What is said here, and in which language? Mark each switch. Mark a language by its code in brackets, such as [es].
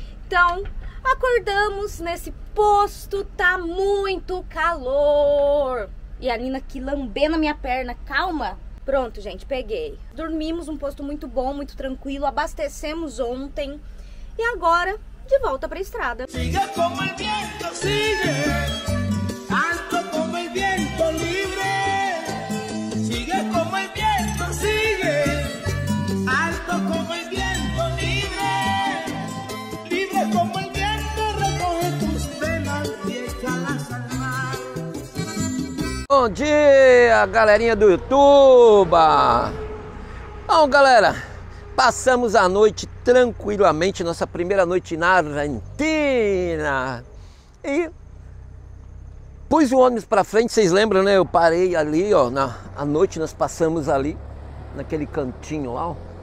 [pt] Então, acordamos nesse posto, tá muito calor. E a Nina aqui lambendo a minha perna, calma. Pronto, gente, peguei. Dormimos num posto muito bom, muito tranquilo. Abastecemos ontem. E agora, de volta para a estrada. [es] Siga como el viento sigue, alto como el viento libre. Sigue como el viento sigue, alto como el viento libre. Libre como el viento recoge tus penas y échalas al mar. [pt] Bom dia, galerinha do YouTube. Bom, galera, passamos a noite tranquilamente, nossa primeira noite na Argentina. E pus o ônibus para frente, vocês lembram, né? Eu parei ali, ó, a noite nós passamos ali naquele cantinho lá, ó.